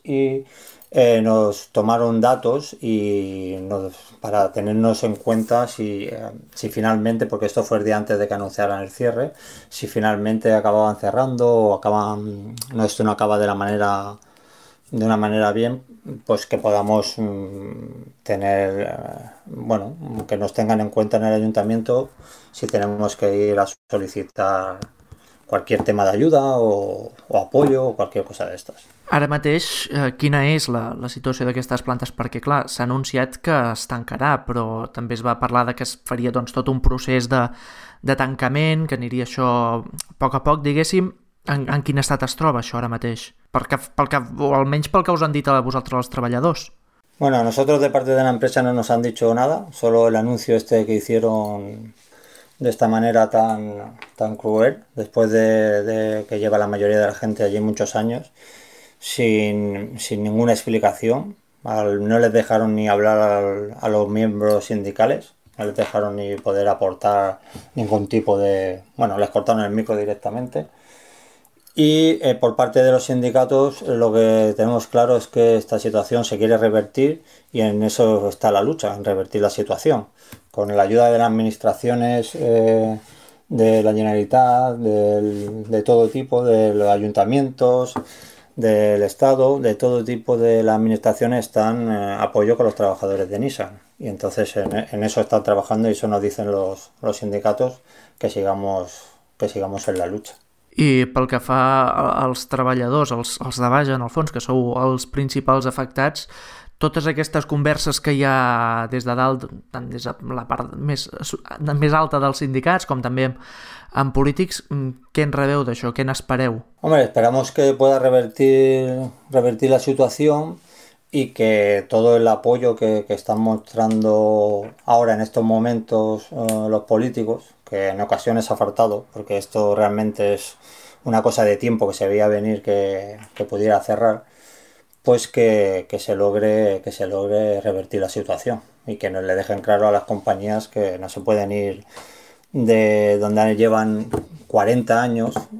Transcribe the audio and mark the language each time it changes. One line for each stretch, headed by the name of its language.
Spanish: Y nos tomaron datos y para tenernos en cuenta si finalmente, porque esto fue el día antes de que anunciaran el cierre, si finalmente acababan cerrando o acaban, no, esto no acaba de una manera bien, pues que podamos tener, bueno, que nos tengan en cuenta en el ayuntamiento si tenemos que ir a solicitar cualquier tema de ayuda o apoyo o cualquier cosa de estas.
Catalan: Ara mateix, quina és la situació d'aquestes plantes? Perquè, clar, s'ha anunciat que es tancarà, però també es va parlar de que es faria doncs, tot un procés de tancament, que aniria això a poc, diguéssim. En quin estat es troba això ara mateix? O almenys pel que us han dit a vosaltres els treballadors.
Spanish: Bueno, a nosotros de parte de la empresa no nos han dicho nada, solo el anuncio este que hicieron de esta manera tan cruel, después de que lleva la mayoría de la gente allí muchos años, sin ninguna explicación. No les dejaron ni hablar a los miembros sindicales, no les dejaron ni poder aportar ningún tipo de. Bueno, les cortaron el micro directamente. Y por parte de los sindicatos, lo que tenemos claro es que esta situación se quiere revertir y en eso está la lucha, en revertir la situación. Con la ayuda de las administraciones, de la Generalitat, de todo tipo, de los ayuntamientos, del Estado, de todo tipo de las administraciones están apoyo con los trabajadores de Nissan. Y entonces en eso están trabajando y eso nos dicen los sindicatos, que sigamos en la lucha.
Catalan: I pel que fa als treballadors, els de baix, en el fons, que sou els principals afectats, totes aquestes converses que hi ha des de dalt, tant des de la part més alta dels sindicats com també amb polítics, què en rebeu d'això? Què n'espereu?
Spanish: Hombre, esperamos que pueda revertir la situación y que todo el apoyo que están mostrando ahora en estos momentos los políticos, que en ocasiones ha faltado, porque esto realmente es una cosa de tiempo que se veía venir que pudiera cerrar, pues que se logre revertir la situación y que nos le dejen claro a las compañías que no se pueden ir de donde llevan 40 años.